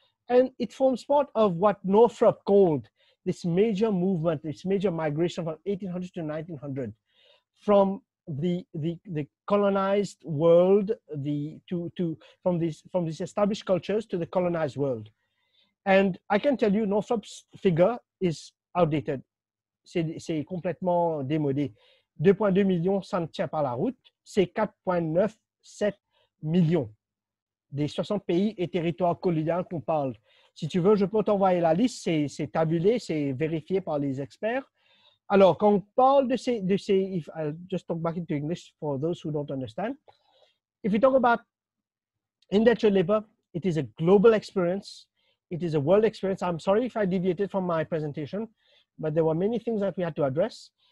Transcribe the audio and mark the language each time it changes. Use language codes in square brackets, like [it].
[en] And it forms part of what Northrop called this major movement, this major migration from 1800 to 1900, from the colonized world, from these established cultures to the colonized world. And I can tell you, Northrop's figure is outdated. [fr] C'est complètement démodé. 2.2 millions, ça ne tient pas la route. C'est 4.97 millions des 60 pays et territoires coloniaux qu'on parle. Si tu veux, je peux t'envoyer la liste. C'est tabulé, c'est vérifié par les experts. Alors, quand on parle de ces, [en] if I'll just talk back into English for those who don't understand. If we talk about indentured labor, it is a global experience. It is a world experience. I'm sorry if I deviated from my presentation, but there were many things that we had to address.